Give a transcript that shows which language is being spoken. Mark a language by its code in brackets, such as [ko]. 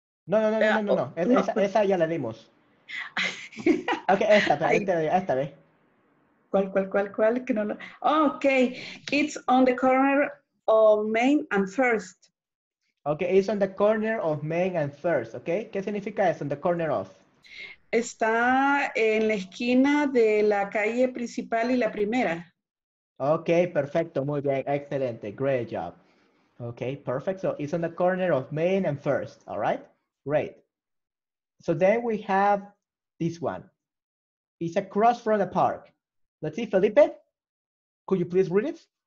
[es] No. Esa ya la dimos. Ok, esta, esta vez. ¿Cuál? Que no lo... [en] Ok, it's on the corner of Main and First. Ok, it's on the corner of Main and First, ok. [es] ¿Qué significa eso, on the corner of? Está en la esquina de la calle principal y la primera. Ok, perfecto, muy bien, excelente, great job. [en] Ok, perfect, so it's on the corner of Main and First, all right? Great. So then we have this one. It's across from the park. Let's see, Felipe, could you please read it?